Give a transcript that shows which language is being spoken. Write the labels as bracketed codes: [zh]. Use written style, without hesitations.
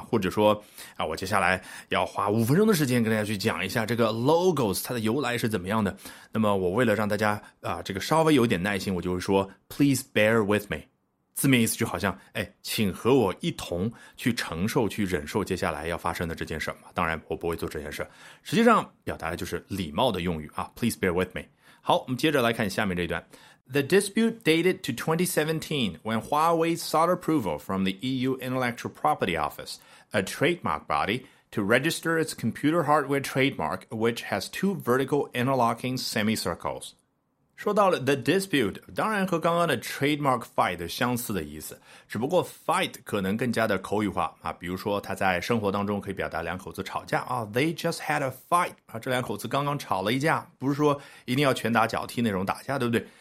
[zh] 或者说啊，我接下来要花五分钟的时间跟大家去讲一下这个 logos 它的由来是怎么样的，那么我为了让大家啊这个稍微有点耐心，我就会说 [en] please bear with me， [zh] 字面意思就好像，哎，请和我一同去承受，去忍受接下来要发生的这件事嘛。当然，我不会做这件事。实际上，表达的就是礼貌的用语啊。 [en] Please bear with me。 [zh] 好，我们接着来看下面这一段。 [en] The dispute dated to 2017 when Huawei sought approval from the EU Intellectual Property Office, a trademark body, to register its computer hardware trademark, which has two vertical interlocking semicircles. [zh] 说到了 the dispute， 当然和刚刚的 trademark fight 相似的意思，只不过 fight 可能更加的口语化啊，比如说他在生活当中可以表达两口子吵架啊， [en] they just had a fight [zh] 啊，这两口子刚刚吵了一架，不是说一定要拳打脚踢那种打架，对不对？